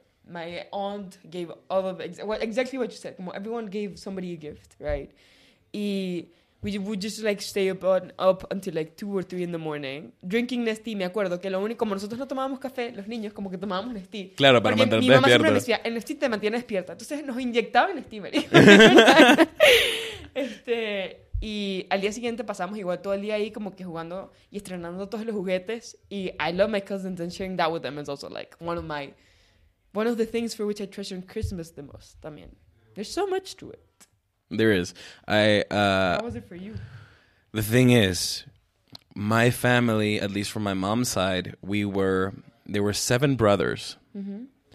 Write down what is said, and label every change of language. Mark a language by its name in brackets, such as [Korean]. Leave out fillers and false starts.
[English] My aunt gave all of exactly what you said. Como everyone gave somebody a gift, right? Y we would just like stay up until like 2 or 3 in the morning drinking Nestea. [Spanish] Me acuerdo que lo único, como nosotros no tomábamos café, los niños como que tomábamos Nestea. Claro, para mantenerte despierto. Mi mamá siempre me decía, el Nestea te mantiene despierta. Entonces nos inyectaban Nestea. Y al día siguiente pasamos igual todo el día ahí como que jugando y estrenando todos los juguetes. [English] Y I love my cousins and sharing that with them is also like one of the things for which I treasure Christmas the most también. There's so much to it. There is. How was it for you? The thing is, my family, at least from my mom's side, there were 7 brothers. Mm-hmm.